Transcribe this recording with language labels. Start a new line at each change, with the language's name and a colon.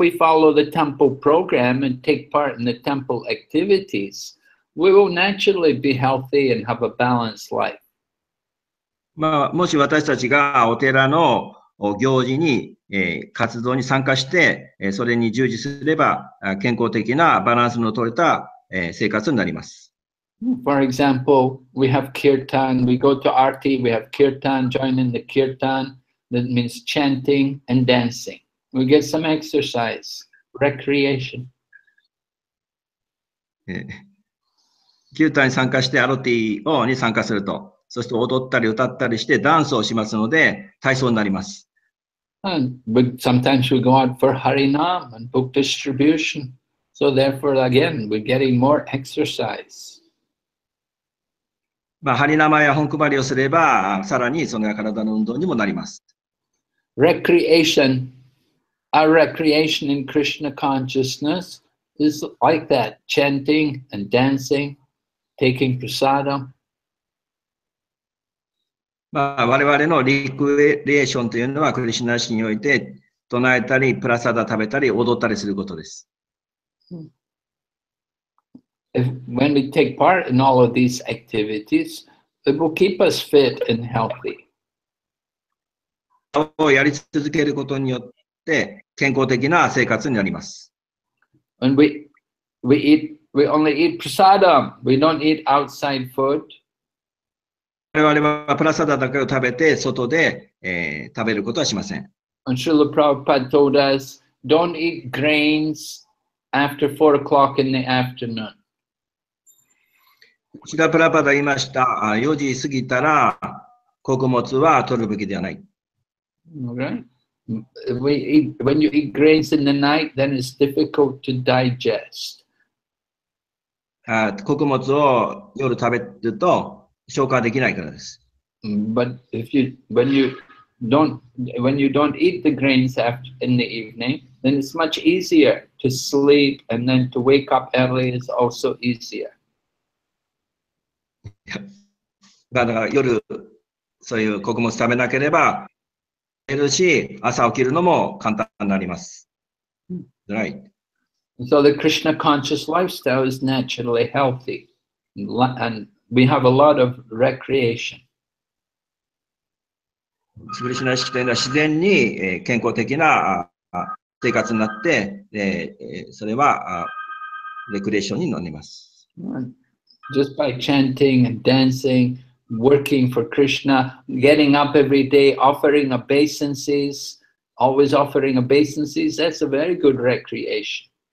English: we follow the temple program and take part in the temple activities, we will naturally be healthy and have a balanced life.
Japanese: まあ、もし私たちがお寺の行事に、活動に参加して、それに従事すれば、健康的なバランスの取れた、生活になります。
English: For example, we have kirtan, we go to arti, we have kirtan, join in the kirtan, that means chanting and dancing. We get some exercise, recreation.
Japanese: Kirtan に参加して、アロティをに参加すると。そして踊ったり歌ったりしてダンスをしますので体操になります。
English: But sometimes we go out for Harinam and book distribution. So therefore, again, we're getting more exercise.
Japanese: まあ、ハリナマや本配りをすれば、さらにその体の運動にもなります。
English: Recreation, our recreation in Krishna consciousness is like that, chanting and dancing, taking prasadam.
Japanese: まあ、我々のリクエリエーションというのはクリシュナ氏において唱えたりプラサダ食べたり踊ったりすることです。
English: If, when we take part in all of these activities, it will keep us fit and healthy.
Japanese: をやり続けることによって健康的な生活になります。
English: And we only eat prasadam. We don't eat outside food.
Japanese: 我々はプラサダだけを食べて外で、食べることはしません。
English: And Srila Prabhupada told us, don't eat grains after 4 o'clock in the afternoon.
Japanese: Srila Prabhupada 言いました。 4時過ぎたら穀物は取るべきではない。
English: Okay. When you eat grains in the night, then it's difficult to digest.
Japanese: 穀物を夜食べると消化できないからです。
English: But if you, when you don't eat the grains after in the evening, then it's much easier to sleep and then to wake up early is also easier.
Japanese: だから夜そういう穀物食べなければ寝るし、朝起きるのも簡単になります。
English: Right. So the Krishna conscious lifestyle is naturally healthy and we have a lot of recreation.
Japanese: スクリシュナ意識というのは自然に健康的な生活になって、それはレクリエーションに乗ります。
English: Just by chanting and dancing, working for Krishna, getting up every day, offering obeisances, always offering obeisances, that's a very good recreation.